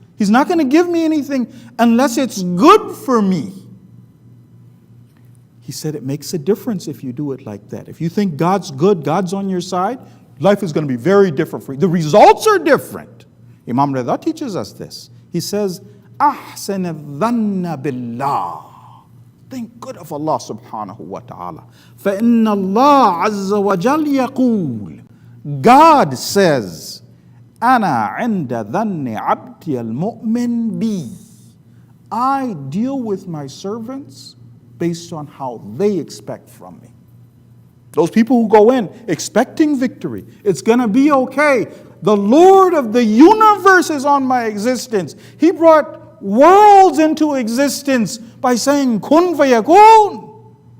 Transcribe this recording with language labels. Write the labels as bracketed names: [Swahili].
[English] He's not going to give me anything unless it's good for me. He said it makes a difference if you do it like that. If you think God's good, God's on your side, life is going to be very different for you. The results are different. Imam Ridha teaches us this. He says, [Arabic] أحسن الظن بالله. [English] Think good of Allah subhanahu wa ta'ala. [Arabic] فإن الله عز وجل يقول. [English] God says, [Arabic] أنا عند ظن عبدي المؤمن بي. [English] I deal with my servants based on how they expect from me. Those people who go in expecting victory, it's going to be okay. The Lord of the universe is on my existence. He brought worlds into existence by saying, kun fayakun.